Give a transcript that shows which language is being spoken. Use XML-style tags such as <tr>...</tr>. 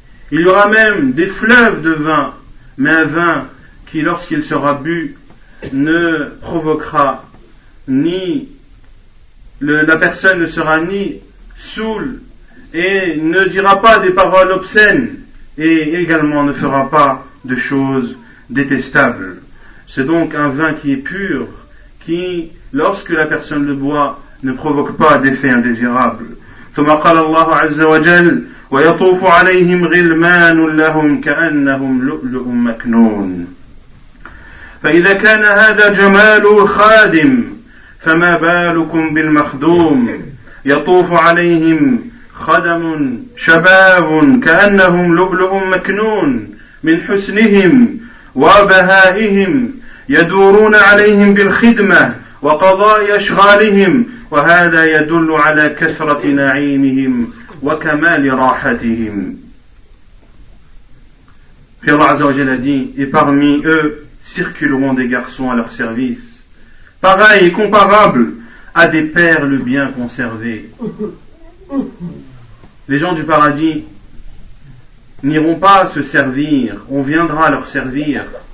<fr>Il y aura même des fleuves de vin, mais un vin qui, lorsqu'il sera bu, ne provoquera ni la personne ne sera ni saoule et ne dira pas des paroles obscènes et également ne fera pas de choses détestables. C'est donc un vin qui est pur, qui, lorsque la personne le boit, ne provoque pas d'effet indésirable.</fr> <ar>ثم قال الله عز وجل ويطوف عليهم غلمان لهم كأنهم لؤلؤ مكنون فإذا كان هذا جمال الخادم فما بالكم بالمخدوم يطوف عليهم خدم شباب كأنهم لؤلؤ مكنون من حسنهم وبهائهم يدورون عليهم بالخدمة وقضاء أشغالهم وهذا يدل على كثرة نعيمهم وكمال راحتهم.</ar> <fr>Puis Allah Azza wa Jalla dit, et parmi eux circuleront des garçons à leur service, pareils et comparables à des perles bien conservées. Les gens du paradis n'iront pas se servir, on viendra leur servir.</fr>